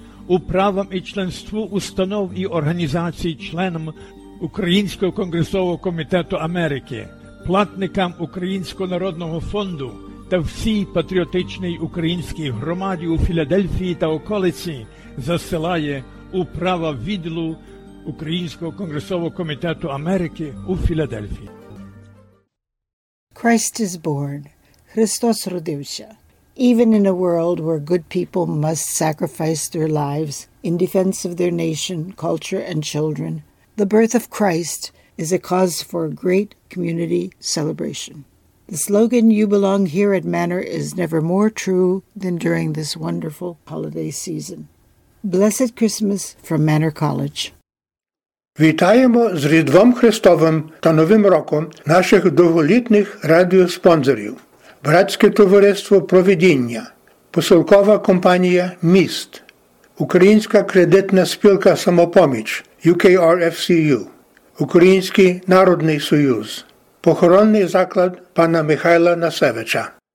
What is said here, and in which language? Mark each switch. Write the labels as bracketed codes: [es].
[uk] управам і членству установ і організацій членам Українського Конгресового Комітету Америки, платникам Українського Народного Фонду, та всій патріотичній українській громаді у Філадельфії та околиці засилає управа відділу Українського Конгресового Комітету Америки у Філадельфії. [en] Christ is born. [uk] Христос родився. [en] Even in a world where good people must sacrifice their lives in defense of their nation, culture and children, the birth of Christ is a cause for a great community celebration. The slogan, "You belong here at Manor," is never more true than during this wonderful holiday season. Blessed Christmas from Manor College. [uk] Вітаємо з Різдвом Христовим та Новим Роком наших довголітних радіоспонсорів. Братське товариство «Провидіння», посилкова компанія «Міст», Українська кредитна спілка «Самопоміч» UKRFCU, Український народний союз, похоронний заклад пана Михайла Насевича.